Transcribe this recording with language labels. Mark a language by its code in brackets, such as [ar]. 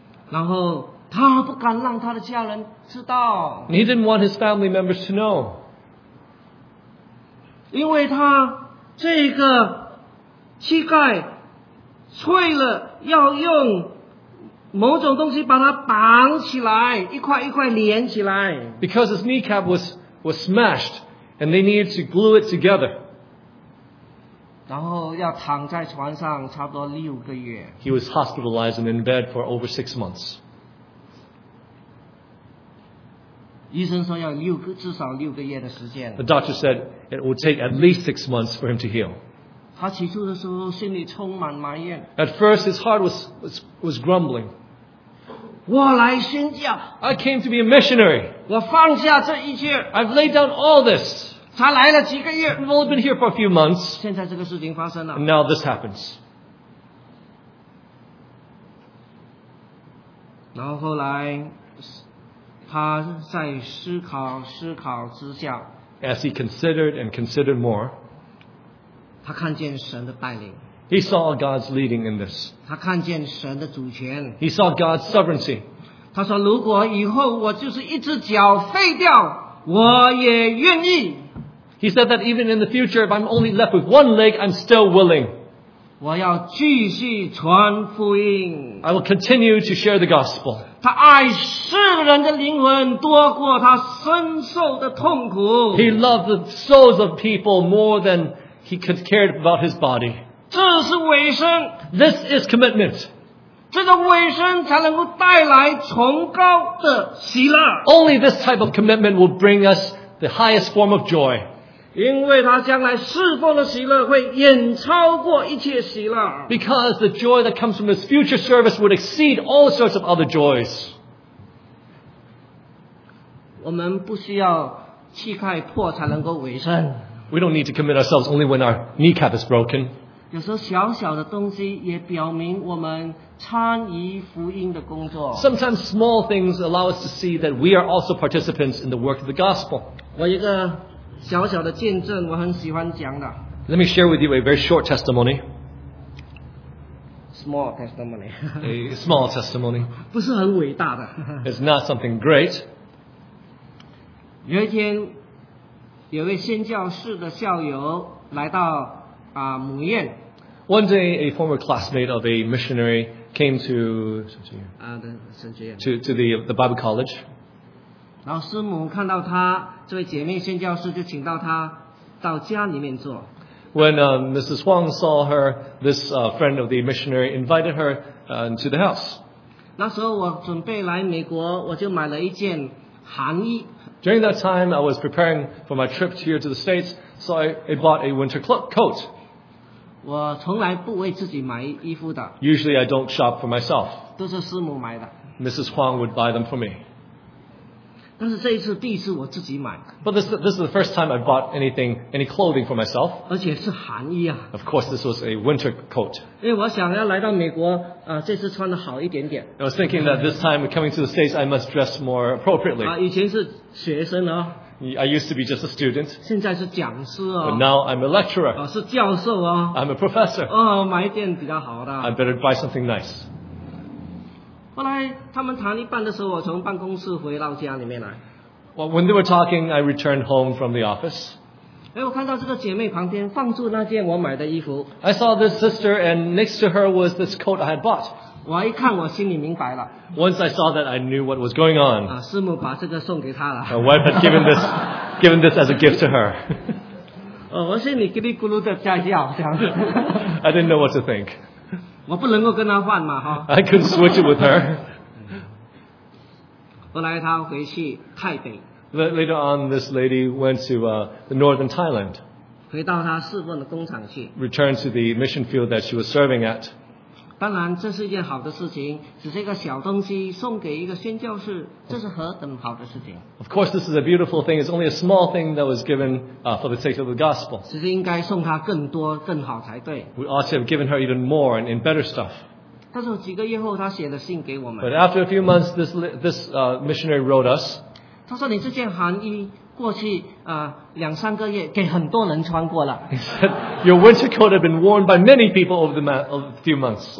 [zh] 然后他不敢让他的家人知道。 [en] And he didn't want his family members to know. [zh] 因为他这个膝盖脆了，要用某种东西把它绑起来，一块一块连起来。 [en] Because his kneecap was smashed, and they needed to glue it together. [zh] 然后要躺在床上差不多六个月。 [en] He was hospitalized and in bed for over 6 months. [zh] 医生说要至少六个月的时间。 [en] The doctor said it would take at least 6 months for him to heal. [zh] 他起初的时候心里充满埋怨。 [en] At first his heart was grumbling. [zh] 我来宣教。 [en] I came to be a missionary. [zh] 我放下这一切。 [en] I've laid down all this. [zh] 才来了几个月。 [en] We've only been here for a few months. [zh] 现在这个事情发生了。 [en] And now this happens. [zh] 然后后来他在思考之下， [en] as he considered and considered more， [zh] 他看见神的带领， [en] he saw God's leading in this， [zh] 他看见神的主权， [en] he saw God's sovereignty， [zh] 他说如果以后我就是一只脚废掉，我也愿意。 [en] He said that even in the future if I'm only left with one leg I'm still willing， [zh] 我要继续传福音， [en] I will continue to share the gospel。 [zh] 他爱世人的灵魂多过他深受的痛苦。 [en] He loved the souls of people more than he could care about his body. [zh] 这是委身。 [en] This is commitment. [zh] 这个委身才能够带来崇高的喜乐。 [en] Only this type of commitment will bring us the highest form of joy. [zh] 因为他将来侍奉的喜乐会远超过一切喜乐。 [en] Because the joy that comes from his future service would exceed all sorts of other joys. [zh] 我们不需要膝盖破才能够委身。 [en] We don't need to commit ourselves only when our kneecap is broken. [zh] 有时候小小的东西也表明我们参与福音的工作。 [en] Sometimes small things allow us to see that we are also participants in the work of the gospel. [zh] 我一个小小的见证，我很喜欢讲的。 [en] Let me share with you a very short testimony. Small testimony. A small testimony. [zh] 不是很伟大的。 [en] It's not something great. [zh] 有一天，有位宣教士的校友来到啊母院。 [en] One day, a former classmate of a missionary came to [zh] 神学院 [en] to the Bible College. [zh] 然后师母看到他这位姐妹宣教士，就请到他到家里面坐。 [en] When Mrs. Huang saw her, this friend of the missionary invited her into the house. [zh] 那时候我准备来美国，我就买了一件寒衣。 [en] During that time, I was preparing for my trip here to the States, so I bought a winter coat. [zh] 我从来不为自己买衣服的。 [en] Usually, I don't shop for myself. [zh] 都是师母买的。 [en] Mrs. Huang would buy them for me. [zh] 但是这一次第一次我自己买。 [en] But this is the first time I bought any clothing for myself. [zh] 而且是寒衣啊。 [en] Of course, this was a winter coat. [zh] 因为我想要来到美国，这次穿得好一点点。 [en] I was thinking that this time coming to the States, I must dress more appropriately. [zh] 以前是学生哦。 [en] I used to be just a student. [zh] 现在是讲师哦。 [en] But now I'm a lecturer. [zh] 是教授哦。 [en] I'm a professor. [zh] 买一件比较好的。 [en] I better buy something nice. [zh] 后来他们谈一半的时候，我从办公室回到家里面来。 [en] Well, when they were talking, I returned home from the office. [zh] 哎，我看到这个姐妹旁边放住那件我买的衣服。 [en] I saw this sister, and next to her was this coat I had bought. [zh] 我一看，我心里明白了。 [en] Once I saw that, I knew what was going on. [zh] 师母把这个送给她了。 [en] My wife had given this as a gift to her. [zh] 我心里咕噜咕噜的在叫，这样。 [en] I didn't know what to think. [zh] 我不能够跟他换嘛， [en] 哈。I couldn't switch it with her. [zh] 后来他回去泰北。 [en] Later on, this lady went to the northern Thailand. [zh] 回到他侍奉的工厂去。 [en] Returned to the mission field that she was serving at. [zh] 当然，这是一件好的事情，只是一个小东西送给一个宣教士，这是何等好的事情。 [en] Of course, this is a beautiful thing. It's only a small thing that was given for the sake of the gospel. [zh] 其实应该送他更多、更好才对。 [en] We ought to have given her even more and better stuff. [zh] 但是几个月后，他写了信给我们。 [en] But after a few months, this missionary wrote us. [zh] 他说：“你这件寒衣过去两三个月给很多人穿过了。 [en] Your winter coat had been worn by many people over the few months.